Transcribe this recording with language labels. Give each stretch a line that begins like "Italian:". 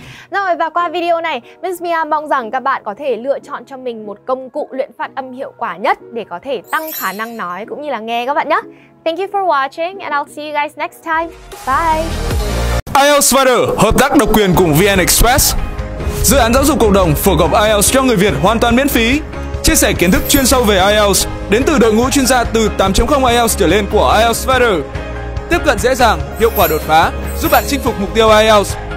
Vietnamese: Rồi, và qua video này, Miss Mia mong rằng các bạn có thể lựa chọn cho mình một công cụ luyện phát âm hiệu quả nhất để có thể tăng khả năng nói cũng như là nghe các bạn nhé.
English: Thank you for watching and I'll see you guys next time. Bye.
Vietnamese: IELTS Spider, hợp tác độc quyền cùng VN Express. Dự án giáo dục cộng đồng phổ cập IELTS cho người Việt hoàn toàn miễn phí. Chia sẻ kiến thức chuyên sâu về IELTS đến từ đội ngũ chuyên gia từ 8.0 IELTS trở lên của IELTS Spider. Tiếp cận dễ dàng, hiệu quả đột phá, giúp bạn chinh phục mục tiêu IELTS.